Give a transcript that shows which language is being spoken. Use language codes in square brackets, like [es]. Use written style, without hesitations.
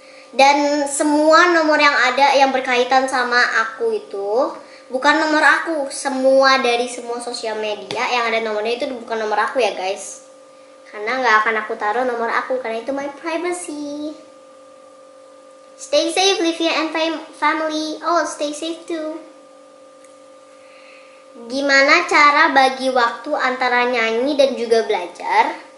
[id] Dan semua nomor yang ada yang berkaitan sama aku itu bukan nomor aku. Semua dari semua sosial media yang ada nomornya itu bukan nomor aku ya, guys. Karena enggak akan aku taruh nomor aku karena itu [en] my privacy. Stay safe, Livia and family. Oh, stay safe too. [id] Gimana cara bagi waktu antara nyanyi dan juga belajar?